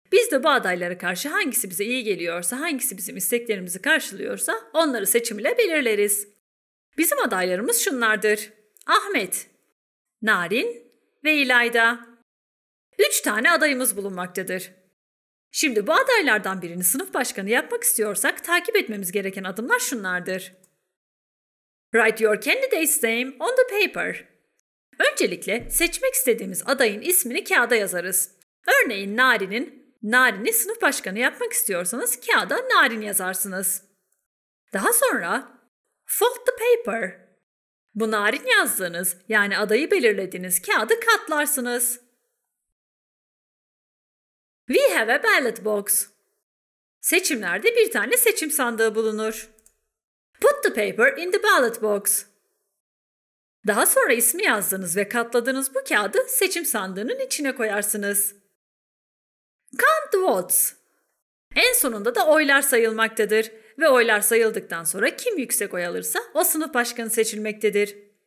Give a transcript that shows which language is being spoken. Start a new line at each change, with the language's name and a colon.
Turkish: Biz de bu adaylara karşı hangisi bize iyi geliyorsa, hangisi bizim isteklerimizi karşılıyorsa onları seçim ile belirleriz. Bizim adaylarımız şunlardır. Ahmet, Narin ve İlayda. 3 tane adayımız bulunmaktadır. Şimdi bu adaylardan birini sınıf başkanı yapmak istiyorsak takip etmemiz gereken adımlar şunlardır.
English: Write your candidate's name on the paper.
Turkish: Öncelikle seçmek istediğimiz adayın ismini kağıda yazarız. Örneğin Narin'i sınıf başkanı yapmak istiyorsanız kağıda Narin yazarsınız. Daha sonra
English: fold the paper.
Turkish: Bu Narin yazdığınız, yani adayı belirlediğiniz kağıdı katlarsınız.
English: We have a ballot box.
Turkish: Seçimlerde bir tane seçim sandığı bulunur.
English: Put the paper in the ballot box.
Turkish: Daha sonra ismi yazdığınız ve katladığınız bu kağıdı seçim sandığının içine koyarsınız.
English: Count the votes.
Turkish: En sonunda da oylar sayılmaktadır ve oylar sayıldıktan sonra kim yüksek oy alırsa o sınıf başkanı seçilmektedir.